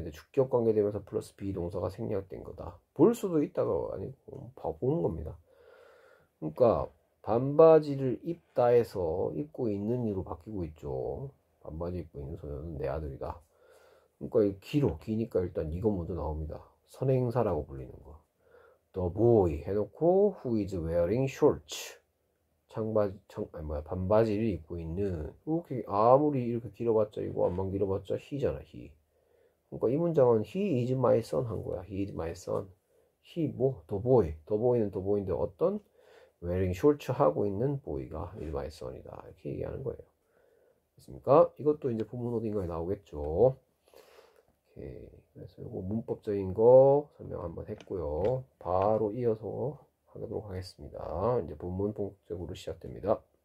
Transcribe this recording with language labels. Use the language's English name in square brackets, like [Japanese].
[Korean] 이제 주격 관계되면서 플러스 비동사가 생략된 거다. 볼 수도 있다가 아니고 봐보는 겁니다. 그러니까 반바지를 입다에서 입고 있는 이로 바뀌고 있죠. 반바지 입고 있는 소녀는 내 아들이다. 그러니까 길어 기니까 일단 이거 먼저 나옵니다. 선행사라고 불리는 거. [English] The boy 해놓고 who is wearing shorts? [Korean] 아니 뭐야 반바지를 입고 있는. 이렇게 아무리 이렇게 길어봤자 이거 안만 길어봤자 he잖아 he. 그러니까 이 문장은 he is my son 한 거야. [English] He is my son. He 뭐? The boy. The boy는 the boy인데 어떤 wearing shorts 하고 있는 boy가 is my son이다. [Korean] 이렇게 얘기하는 거예요. 됐습니까? 이것도 이제 본문 어딘가에 나오겠죠. 예, 그래서 요거 문법적인 거 설명 한번 했고요. 바로 이어서 하도록 하겠습니다. 이제 본문 본격적으로 시작됩니다.